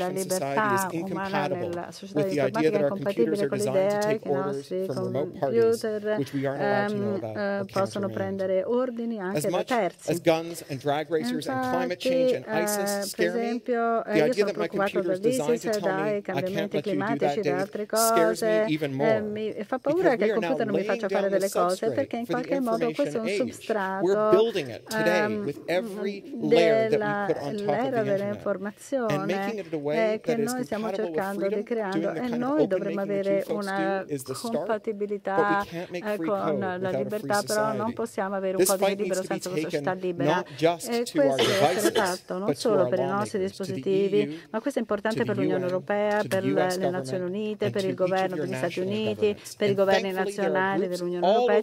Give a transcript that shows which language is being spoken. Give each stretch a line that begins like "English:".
Italian: La libertà umana nella società di informatica è compatibile con l'idea che i nostri computer possono prendere ordini anche da terzi.
English: As guns and drag racers and climate change and ISIS scare me, the idea that my computer is designed to tell me I can't let you do that, Dave, scares me even more. Because we are now laying down the substrate for the information age. We're building it today with every layer that we put on top of the internet and making it in a way that is compatible with freedom. Doing the kind of open-making that you folks do is the start.
Italian: Con la libertà però non possiamo avere un codice libero senza una società libera e questo è stato fatto non solo per i nostri dispositivi ma questo è importante per l'Unione Europea, per le Nazioni Unite, per il governo degli Stati Uniti, per i governi nazionali dell'Unione Europea.